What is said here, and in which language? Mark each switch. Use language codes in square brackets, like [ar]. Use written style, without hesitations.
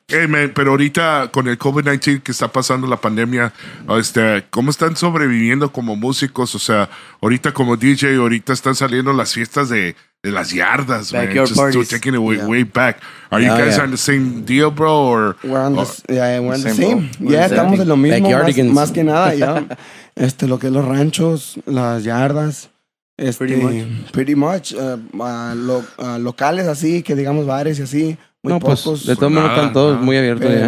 [es] Hey, man, pero ahorita con el COVID-19 que está pasando, la pandemia, ¿cómo están sobreviviendo como músicos? O sea, ahorita como DJ, ahorita están saliendo las fiestas de las yardas, [en] backyard man. Parties. Just taking it way back. Are you guys on the same deal, bro? [es] Estamos en lo mismo, más que nada, ya. lo que es los ranchos, las yardas. Locales así, que digamos bares y así. Muy no, pocos. Pues, de todo modo están todos muy abiertos ya.